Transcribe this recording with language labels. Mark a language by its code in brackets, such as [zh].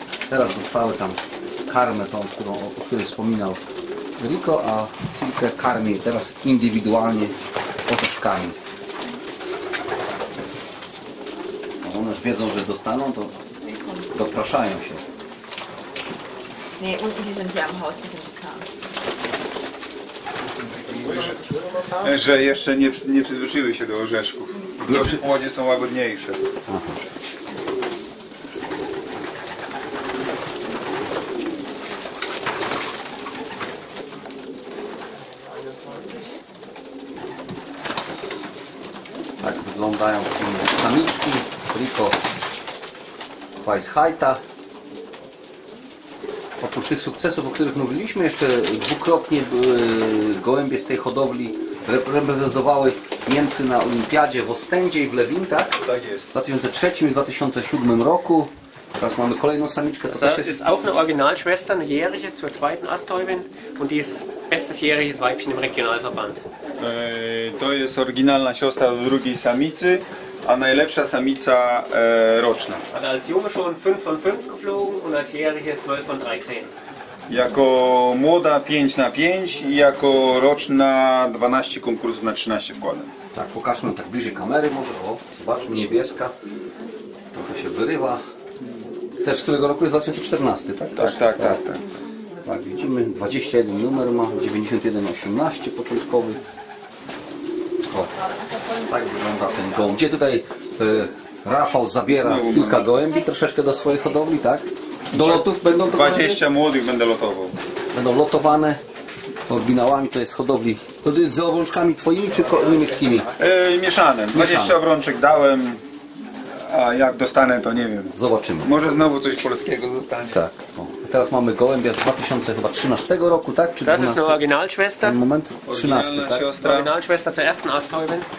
[pl] Teraz dostały tam karmę tą, o której wspominał Rico, a Cilkę karmi teraz indywidualnie otoczkami. No, one już wiedzą, że dostaną, to dopraszają się. [de] Nee, unten die sind hier am Haus, die sind bezahlt. [pl] Że jeszcze nie przyzwyczaiły się do orzeszków. Młodzie są łagodniejsze. Aha. Tak wyglądają samiczki. Rico Weisheita. Oprócz tych sukcesów, o których mówiliśmy, jeszcze dwukrotnie gołębie z tej hodowli reprezentowały Niemcy na Olimpiadzie w Ostendzie i w Lewintach. Tak jest. W 2003 i 2007 roku. Teraz mamy kolejną samiczkę. To jest... [de] ist auch eine Originalschwester, eine jährige, zur zweiten Astäubin. Und die ist bestes jähriges Weibchen im Regionalverband. [pl] To jest oryginalna siostra drugiej samicy, a najlepsza samica roczna. [de] Als junge schon 5 von 5 geflogen und als jährige 12 von 13. [pl] Jako młoda 5 na 5 i jako roczna 12 konkursów na 13 wkładem. Tak, pokażmy tak bliżej kamery może. O, zobaczmy, niebieska. Trochę się wyrywa. Też z którego roku jest 2014, tak? Tak, widzimy, 21 numer ma, 91-18 początkowy. O, tak wygląda ten gołąb. Gdzie tutaj Rafał zabiera kilka gołębi troszeczkę do swojej hodowli, tak? Do lotów będą to 20 gołębi? Młodych będę lotował. Będą lotowane oryginałami, to jest hodowli. To jest z obrączkami twoimi czy niemieckimi? Mieszane. 20 obrączek dałem, a jak dostanę, to nie wiem. Zobaczymy. Może znowu coś polskiego zostanie. Tak. O. Teraz mamy gołębia z 2013 roku, tak? Czy [de] das ist eine Originalschwester. [pl] Ten moment. 13, tak? Siostra. [de] Originalschwester zur ersten Astäubin.